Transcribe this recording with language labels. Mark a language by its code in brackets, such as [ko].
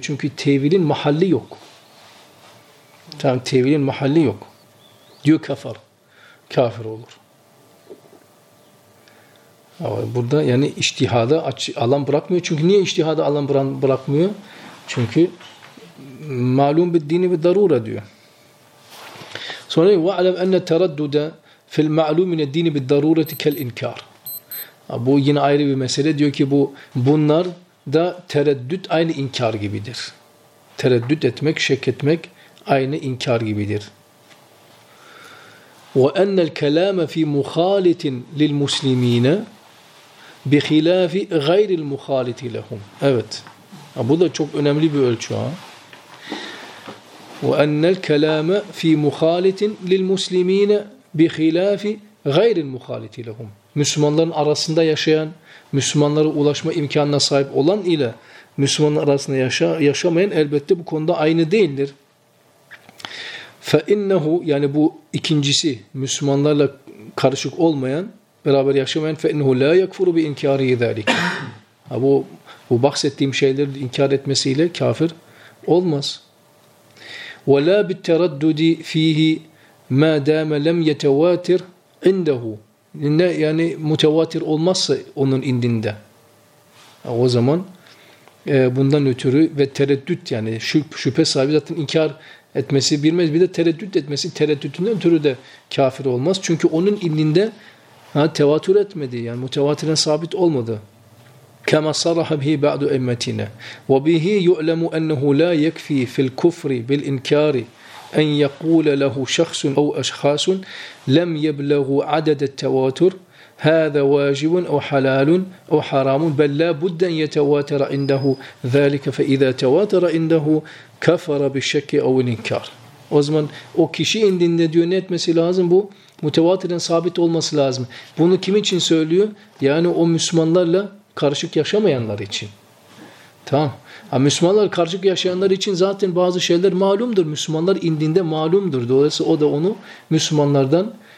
[tr] Çünkü tevilin mahalli yok. Tamam, tevilin mahalli yok. Diyor kafar. Kafir olur. Burada yani içtihada alan bırakmıyor. Çünkü niye içtihada alan bırakmıyor? Çünkü malum bir dini ve darura diyor. [ar] Sonra diyor وَعَلَمْ أَنَّ تَرَدُّدَ فِي الْمَعْلُومِنَ الدِّينِ بِالدَّرُورَةِ كَالْاِنْكَارِ [tr] bu yine ayrı bir mesele. Diyor ki bu bunlar da tereddüt aynı inkar gibidir. Tereddüt etmek, şek etmek aynı inkar gibidir. [ar] وَاَنَّ الْكَلَامَ فِي مُخَالِتٍ لِلْمُسْلِم۪ينَ بِخِلَافِ غَيْرِ الْمُخَالِتِ لَهُمْ [tr] evet. Bu da çok önemli bir ölçü ha. [ar] وَاَنَّ الْكَلَامَ فِي مُخَالِتٍ لِلْمُسْلِم۪ينَ بِخِلَافِ غَيْرِ الْمُخَالِتِ لَهُمْ [tr] Müslümanların arasında yaşayan, Müslümanlara ulaşma imkanına sahip olan ile Müslümanların arasında yaşamayan elbette bu konuda aynı değildir. [ar] فَاِنَّهُ [tr] yani bu ikincisi Müslümanlarla karışık olmayan beraber yaşamayan [ar] فَاِنْهُ لَا يَكْفُرُ بِاِنْكَارِهِ ذَٰلِكَ [tr] bu bahsettiğim şeyleri inkar etmesiyle kafir olmaz. [ar] وَلَا بِالتَّرَدُّدِ ف۪يهِ مَا دَامَ لَمْ يَتَوَاتِرْ اِنْدَهُ [tr] yani mutevatir olmazsa onun indinde. O zaman bundan ötürü ve tereddüt yani şüphe sahibi zaten inkar etmesi bilmez. Bir de tereddüt etmesi, tereddütünden ötürü de kafir olmaz. Çünkü onun indinde tevatür etmedi. Yani mutevatiren sabit olmadı. [ar] كَمَا صَرَحَ بِهِ بَعْدُ اَمَّتِينَ وَبِهِ يُعْلَمُ أَنَّهُ لَا يَكْفِي فِي الْكُفْرِ بِالْاِنْكَارِ اَنْ يَقُولَ لَهُ شَخْصٌ اَوْ اَشْخَاسٌ لَمْ يَبْلَغُ عَدَدَ التَّوَاتُرِ هَذَا وَاجِبٌ اَوْ حَلَالٌ اَوْ حَرَامٌ بَلْ لَا بُدَّ اَنْ يَتَوَاتَرَ عِنْدَهُ ذَلِكَ فَاِذَا تَوَاتَرَ عِنْدَهُ كَفَرَ بِالشَّكِّ اَوْ الْاِنْكَارِ [tr] O zaman o kişi indinde diyor ne etmesi lazım? Bu mutevatiren sabit olması lazım. Bunu kim için söylüyor? Yani o Müslümanlarla karışık yaşamayanlar için. Tamam. Ha, Müslümanlar karışık yaşayanlar için zaten bazı şeyler malumdur. Müslümanlar indinde malumdur. Dolayısıyla o da onu Müslümanlardan